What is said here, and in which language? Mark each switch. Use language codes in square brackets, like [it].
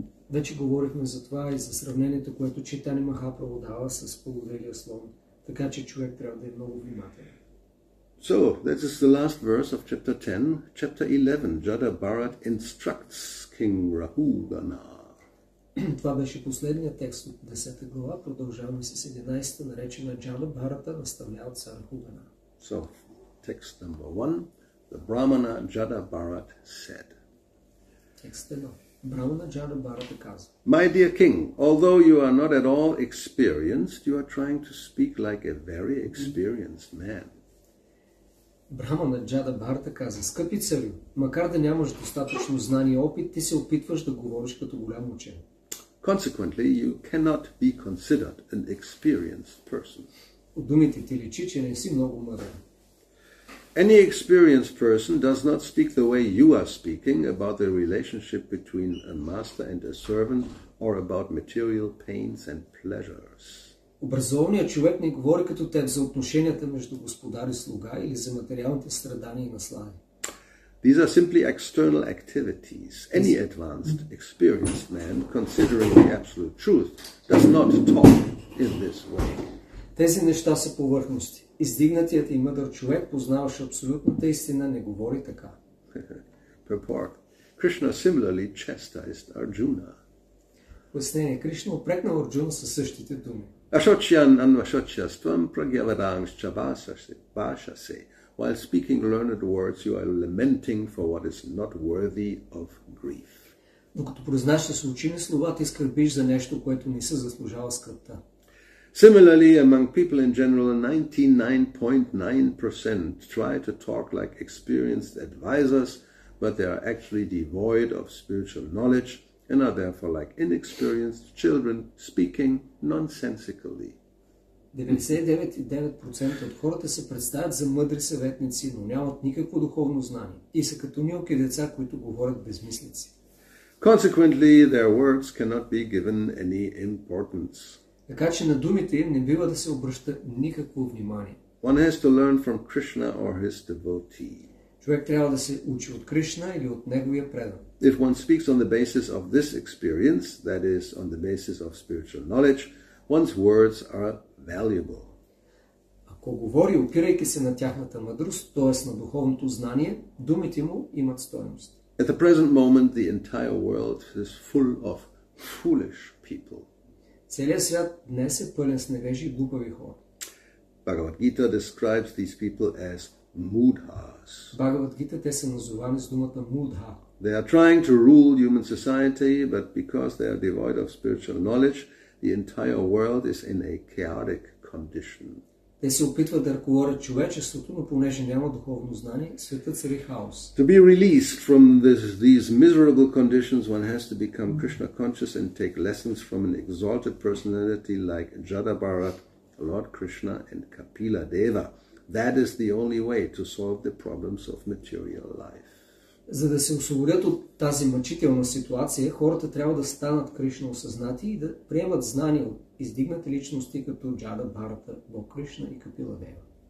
[bg] Вече говорихме за това и за сравнението, което Чайтания Махапрабху дава с половелия слон. Така че човек трябва да е много внимателен. [en] So, this is the last verse of chapter 10. Chapter 11, Jada Bharat instructs King Rahugana. [bg] Това беше последният текст от 10 глава. Продължаваме с 11-та, наречена Джада Бхарата, наставлява цар Рахугана. [en] So, text number 1, the Brahmana Jada Bharat said. [bg] Текст 1. Брамана Джада Бхарата каза. [en] My dear king, although you are not at all experienced, you are trying to speak like a very experienced man. [bg] Брамана Джада Бхарата каза. Скъпи царю, макар да нямаш достатъчно знание и опит, ти се опитваш да говориш като голям учен. [en] Consequently, you cannot be considered an experienced person. [bg] От думите ти личи, че не си много мъдър. [en] Any experienced person does not speak the way you are speaking about the relationship between a master and a servant or about material pains and pleasures. [bg] Образованият човек не говори като теб за отношенията между господар и слуга или за материалните страдания и наслади. [en] These are simply external activities. Any advanced, experienced man, considering the absolute truth, does not talk in this way. [bg] Тези неща са повърхности. Издигнатият и мъдър човек, познаващ абсолютната истина, не говори така. [en] Purport. Krishna similarly chastised Arjuna. [bg] Пояснение. Кришна упрекнал Арджуна със същите думи. [sa] Ашочян анвашочяствам прагяварангща башасе. [en] While speaking learned words, you are lamenting for what is not worthy of grief. [bg] Докато произнасяш учени слова, ти скърбиш за нещо, което не се заслужава скръпта. [en] Similarly, among people in general, 99.9% try to talk like experienced advisors, but they are actually devoid of spiritual knowledge and are therefore like inexperienced children speaking nonsensically. [bg] 99.9% от хората се представят за мъдри съветници, но нямат никакво духовно знание и са като нилки деца, които говорят безмислици. [en] Consequently, their words cannot be given any importance. [bg] Така че на думите им не бива да се обръща никакво внимание. [en] One has to learn from Krishna or his devotee. [bg] Човек трябва да се учи от Кришна или от неговия предан. [en] If one speaks on the basis of this experience, that is, on the basis of spiritual knowledge, one's words are valuable. [bg] Ако говори, опирайки се на тяхната мъдрост, т.е. на духовното знание, думите му имат стойност. [en] At the present moment, the entire world is full of foolish people. [bg] Целият свят днес е пълен с невежи и глупави хора. [en] Bhagavad Gita describes these people as mudhas. [bg] Bhagavad Gita те са назовани с думата mudha. [en] They are trying to rule human society, but because they are devoid of spiritual knowledge, the entire world is in a chaotic condition. [bg] Те се опитват да ръководят човечеството, но понеже няма духовно знание, света цари хаос. [en] To be released from these miserable conditions, one has to become Krishna conscious and take lessons from an exalted personality like Jada Bharat, Lord Krishna and Kapila Deva. That is the only way to solve the problems of material life. [bg] За да се освободят от тази мъчителна ситуация, хората трябва да станат Кришна осъзнати и да приемат знания от издигнати личности като Джада Бхарата, Бог Кришна и Капила Дева.